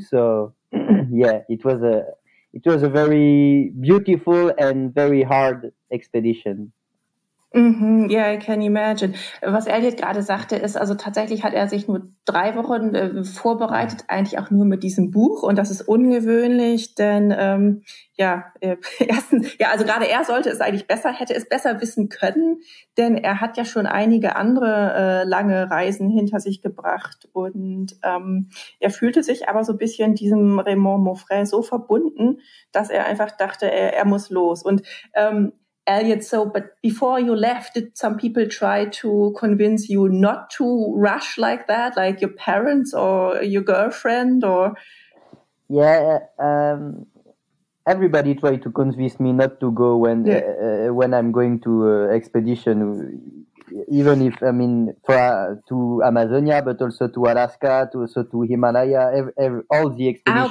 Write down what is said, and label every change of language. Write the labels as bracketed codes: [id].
[en] So yeah, it was a very beautiful and very hard expedition. Ja, I can imagine. [de] Was Elliot gerade sagte, ist, also tatsächlich hat er sich nur 3 Wochen vorbereitet, eigentlich auch nur mit diesem Buch. Und das ist ungewöhnlich, denn gerade er sollte es eigentlich besser, hätte es besser wissen können, denn er hat ja schon einige andere lange Reisen hinter sich gebracht. Und er fühlte sich aber so ein bisschen diesem Raymond Maufray so verbunden, dass er einfach dachte, er muss los. [en] Und Elliot, so, but before you left, did some people try to convince you not to rush like that, like your parents or your girlfriend? Or yeah, everybody tried to convince me not to go when I'm going to expedition, even if I mean to Amazonia, but also to Alaska, to Himalaya, all the expedition.